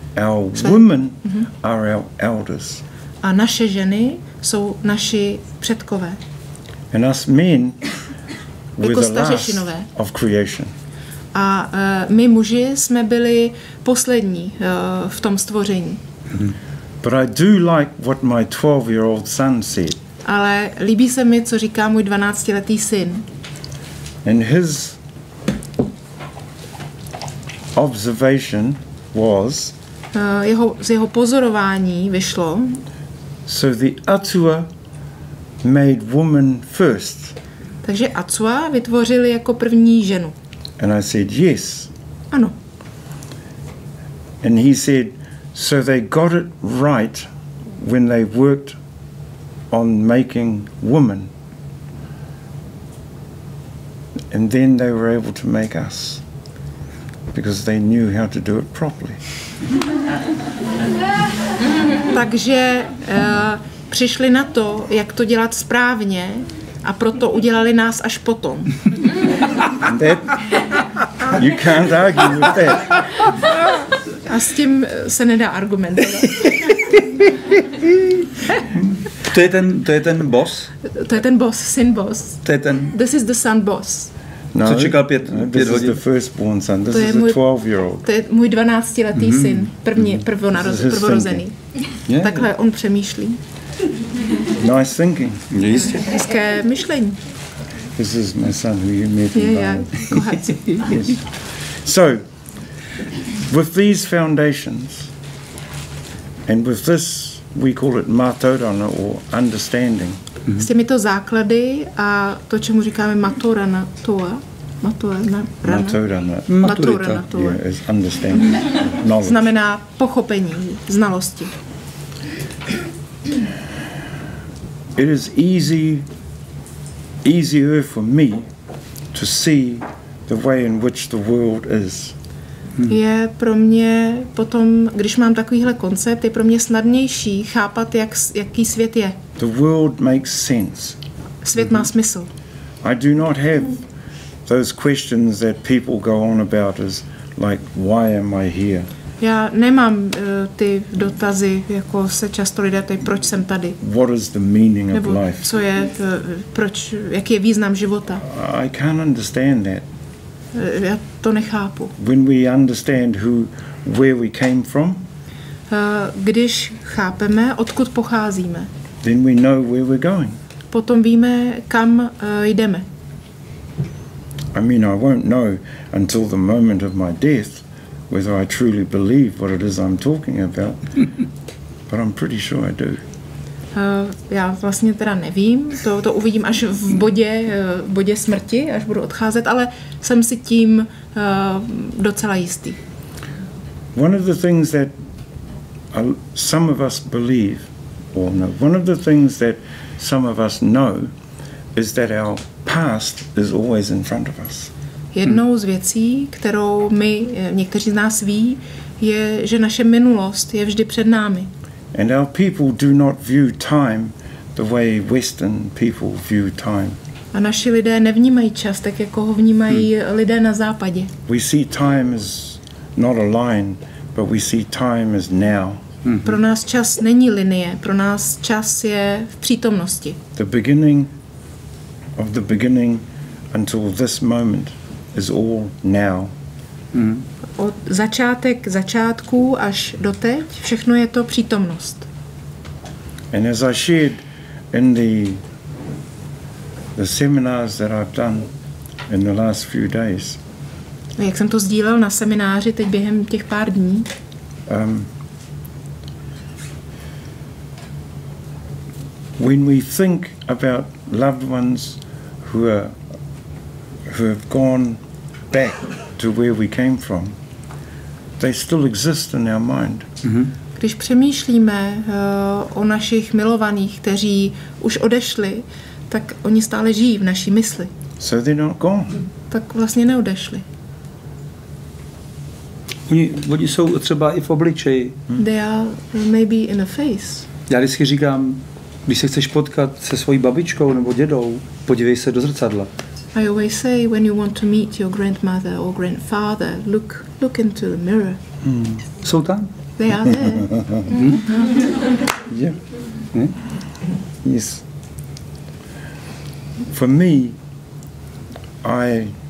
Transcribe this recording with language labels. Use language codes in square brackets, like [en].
[en] Our women are our elders. [cs] A naše ženy jsou naši předkové. [en] And us men [cs] jako [en] were the last of creation. [cs] A my muži jsme byli poslední v tom stvoření. [en] But I do like what my 12-year-old son said. [cs] Ale líbí se mi, co říká můj 12-letý syn. [en] And his observation was [cs] Z jeho pozorování vyšlo. [en] So the Atua made woman first. [cs] Takže Atua vytvořili jako první ženu. [en] And I said yes. [cs] Ano. [en] And he said, so they got it right when they worked on making woman. And then they were able to make us because they knew how to do it properly. [cs] Takže přišli na to, jak to dělat správně, a proto udělali nás až potom. [en] That, you can't argue with that. [cs] A s tím se nedá argumentovat. To je ten boss? To je ten boss, syn boss. To je ten. [en] This is the son boss. [cs] No, co čekal pět hodin? [en] This is the firstborn son, this is a 12-year-old. [cs] To je můj 12-letý syn, první, prvorozený. [en] Yeah. [cs] Takhle on přemýšlí. [en] Nice thinking. [cs] Jistě. Hezké myšlení. [en] This is my son who you met in Bali. Yes. So, with these foundations, and with this, we call it matorana or understanding. Mm-hmm. [cs] S těmito základy a to, čemu říkáme matorana, toa, matorana, rana. [mi] Matorana. [cs] Maturita. [en] Yeah, is understanding. Knowledge. [cs] Znamená pochopení, znalosti. [en] It is easier for me to see the way in which the world is. [cs] Je pro mě potom, když mám takovýhle koncept, je pro mě snadnější chápat, jaký svět je. [en] The world makes sense. [cs] Svět má smysl. [en] I do not have those questions that people go on about as like why am I here? [cs] Já nemám ty dotazy, jako se často lidé ptají, proč jsem tady. [en] What is the meaning [cs] nebo [en] of life? [cs] Co je, proč, jaký je význam života? [en] I can't understand that. [cs] Já to nechápu. [en] When we understand who, where we came from. [cs] Když chápeme, odkud pocházíme. [en] Then we know where we're going. [cs] Potom víme, kam jdeme. [en] I mean, I won't know until the moment of my death. Whether I truly believe what it is I'm talking about, but I'm pretty sure I do. [cs] Já vlastně teda nevím, to uvidím až v bodě smrti, až budu odcházet, ale jsem si tím docela jistý. [en] One of the things that some of us believe, or no, one of the things that some of us know, is that our past is always in front of us. [cs] Jednou z věcí, kterou my, někteří z nás ví, je, že naše minulost je vždy před námi. [en] And our people do not view time the way Western people view time. [cs] A naši lidé nevnímají čas tak, jako ho vnímají lidé na západě. [en] We see time as not a line, but we see time as now. [cs] Pro nás čas není linie, pro nás čas je v přítomnosti. [en] The beginning of the beginning until this moment. Is all now. [cs] Od začátku až doteď, všechno je to přítomnost. [en] And as I shared in the seminars that I've done in the last few days. [cs] Jak jsem to sdílel na semináři teď během těch pár dní. [en] When we think about loved ones who have gone back to where we came from, they still exist in our mind. [cs] Když přemýšlíme o našich milovaných, kteří už odešli, tak oni stále žijí v naší mysli. [en] So they're not gone. [cs] Tak vlastně neodešli. Oni jsou třeba i v obličeji. [en] They are maybe in a face. [cs] Já vždycky říkám, když se chceš potkat se svojí babičkou nebo dědou, podívej se do zrcadla. [en] I always say when you want to meet your grandmother or grandfather, look into the mirror. [cs] Jsou tam? [en] They are there. Yes. For me, I